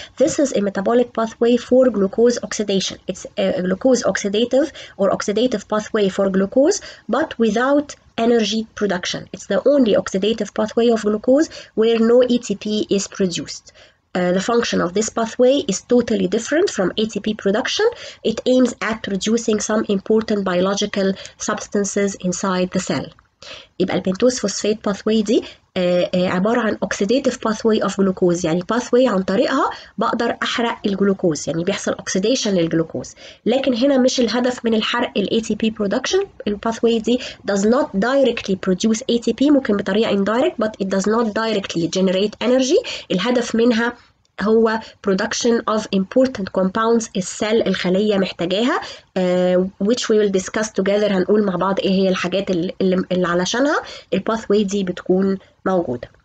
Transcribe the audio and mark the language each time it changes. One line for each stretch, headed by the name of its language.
English: This is a metabolic pathway for glucose oxidation. It's a glucose oxidative or oxidative pathway for glucose, but without energy production. It's the only oxidative pathway of glucose where no ATP is produced. The function of this pathway is totally different from ATP production. It aims at producing some important biological substances inside the cell.
Arabic: يبقى البنتوس فوسفيت pathway دي عبارة عن
English: oxidative pathway of glucose،
Arabic: يعني pathway عن طريقها بقدر أحرق الجلوكوز، يعني بيحصل oxidation للجلوكوز. لكن هنا مش الهدف من الحرق الـ ATP production.
English: الـ pathway دي does not directly produce ATP،
Arabic: ممكن بطريقة
English: indirect، but it does not directly generate energy.
Arabic: الهدف منها هو
English: production of important compounds
Arabic: السيل الخلية محتاجاها،
English: which we will discuss together.
Arabic: هنقول مع بعض ايه هي الحاجات اللي علشانها الباثوي دي بتكون موجودة.